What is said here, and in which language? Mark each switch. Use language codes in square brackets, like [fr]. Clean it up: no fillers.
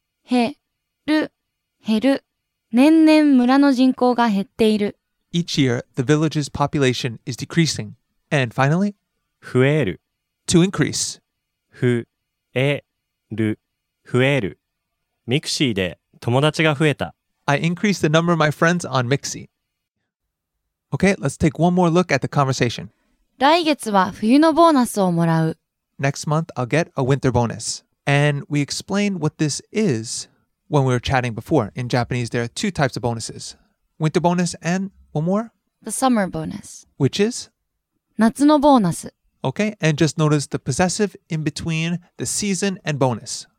[ja] 減る、減る。年々村の人口が減っている。 [en] Each year, the village's population is decreasing. And finally, [ja] 増える。 [en] To increase. [ja] 増える、増える。ミクシーで友達が増えた。 [en] I increased the number of my friends on Mixi. Okay, let's take one more look at the conversation. [ja] 来月は冬のボーナスをもらう。 [en] Next month, I'll get a winter bonus. And we explained what this is when we were chatting before. In Japanese, there are two types of bonuses. Winter bonus and one more? The summer bonus. Which is? [ja] 夏のボーナス。 [en] Okay, and just notice the possessive in between the season and bonus.